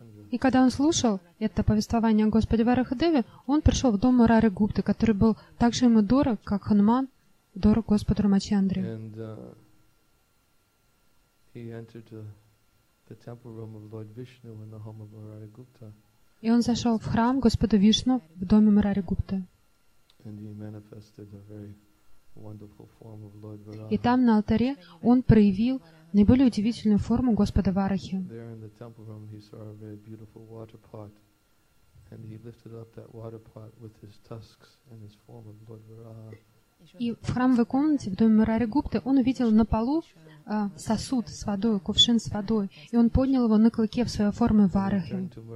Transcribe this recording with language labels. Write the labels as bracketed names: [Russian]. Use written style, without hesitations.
[Russian] И когда он слушал это повествование о Господе Варахадеве, он пришел в дом Мурари Гупты, который был так же ему дорог, как Хануман, дорог Господу Рамачандре. [English] He entered the temple room of Lord Vishnu in the home of Murari Gupta. [Russian] И он зашел в храм Господа Вишну в доме Мурари Гупты. [English] And he manifested a very wonderful form of Lord Varaha. [Russian] И там на алтаре он проявил наиболее удивительную форму Господа Варахи. [English] There in the temple room he saw a very beautiful water pot, and he lifted up that water pot with his tusks and his form of Lord Varaha. [Russian] И в храмовой комнате в доме Мурари Гупты он увидел на полу сосуд с водой, кувшин с водой, и он поднял его на клыке в своей форме Варахи.